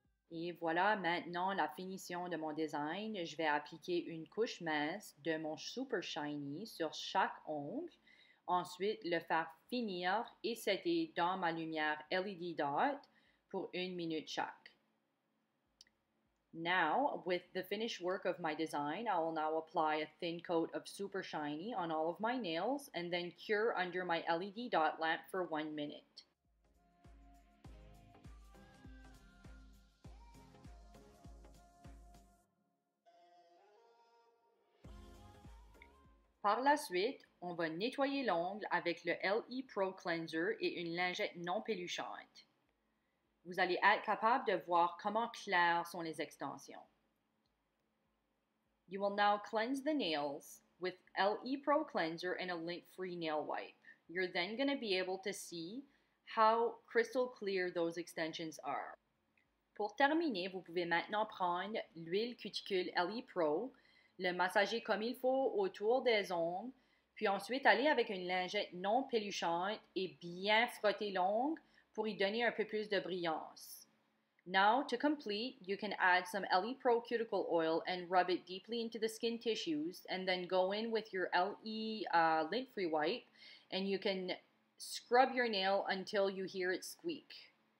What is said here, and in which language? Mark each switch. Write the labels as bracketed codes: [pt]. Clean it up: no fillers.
[fr] Et voilà maintenant la finition de mon design. Je vais appliquer une couche mince de mon super shiny sur chaque ongle. Ensuite, le faire finir et setter dans ma lumière LED dot pour une minute chaque. [en] Now, with the finished work of my design, I will now apply a thin coat of super shiny on all of my nails and then cure under my LED dot lamp for 1 minute. [fr] Par la suite, on va nettoyer l'ongle avec le LE Pro Cleanser et une lingette non peluchante. Vous allez être capable de voir comment claires sont les extensions. [en] You will now cleanse the nails with LE Pro Cleanser and a lint-free nail wipe. You're then going to be able to see how crystal clear those extensions are. [fr] Pour terminer, vous pouvez maintenant prendre l'huile cuticule LE Pro le massager comme il faut autour des ongles, puis ensuite aller avec une lingette non peluchante et bien frotter l'ongle pour y donner un peu plus de brillance. [en] Now, to complete, you can add some LE Pro Cuticle Oil and rub it deeply into the skin tissues, and then go in with your LE lint-free wipe, and you can scrub your nail until you hear it squeak.